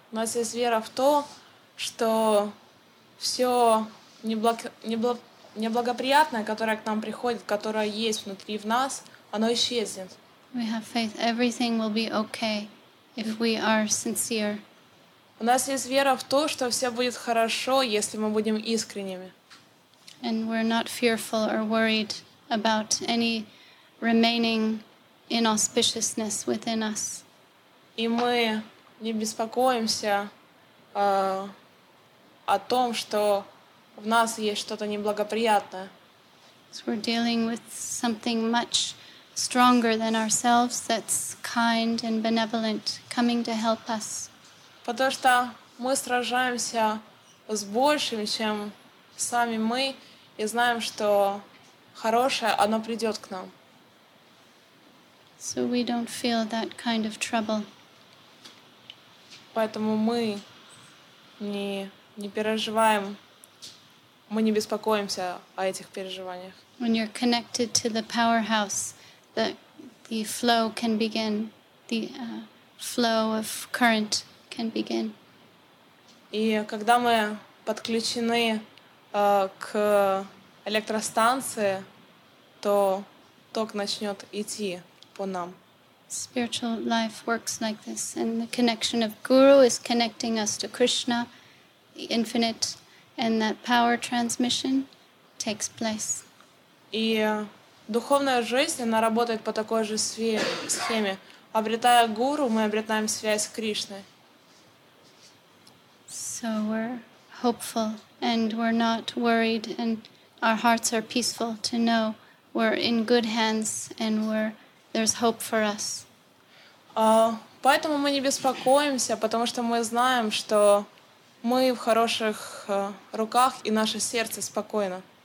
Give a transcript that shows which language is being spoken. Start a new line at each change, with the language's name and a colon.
Russian: У нас есть вера в то, что все неблагоприятное, которое к нам приходит, которое есть внутри в нас, оно исчезнет.
English: We have faith everything will be okay if we are sincere.
Russian: У нас есть вера в то, что все будет хорошо, если мы будем искренними.
English: And we're not fearful or worried about any remaining inauspiciousness within us.
Russian: И мы не беспокоимся о том, что в нас есть что-то неблагоприятное.
English: So we're dealing with something much stronger than ourselves that's kind and benevolent, coming to help us.
Russian: Потому что мы сражаемся с большим, чем сами мы, и знаем, что хорошее, оно придет к нам.
English: So we don't feel that kind of trouble.
Russian: поэтому мы не переживаем, мы не беспокоимся о этих переживаниях.
English: When you're connected to the powerhouse, the flow can begin, the flow of current can begin.
Russian: И когда мы подключены к электростанции, то ток начнет идти по нам.
English: Spiritual life works like this, and the connection of Guru is connecting us to Krishna, the infinite, and that power transmission takes place.
Russian: И духовная жизнь, она работает по такой же схеме. Обретая Гуру, мы обретаем связь с Кришной.
English: So we're hopeful, and we're not worried, and our hearts are peaceful to know we're in good hands, and there's hope for us.
Russian: Поэтому мы не беспокоимся, потому что мы знаем, что мы в хороших руках, и наше сердце спокойно.